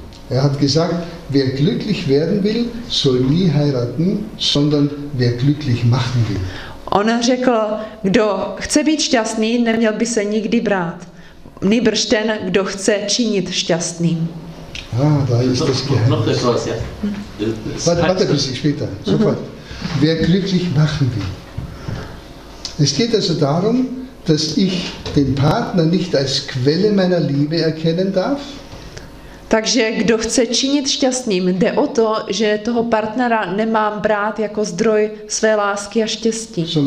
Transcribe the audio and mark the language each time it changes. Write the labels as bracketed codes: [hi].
[de] Er hat gesagt, wer glücklich werden will, soll nie heiraten, sondern wer glücklich machen will. [cs] On řekl, kdo chce být šťastný, neměl by se nikdy brát. Nýbrž ten, kdo chce činit šťastným. [de] Ah, da ist das Geheimnis. Noch das was, ja. Warte, bis ich später. Sofort. Wer glücklich machen will. Es geht also darum, dass ich den Partner nicht als Quelle meiner Liebe erkennen darf. [cs] Takže kdo chce činit šťastným, jde o to, že toho partnera nemám brát jako zdroj své lásky a štěstí.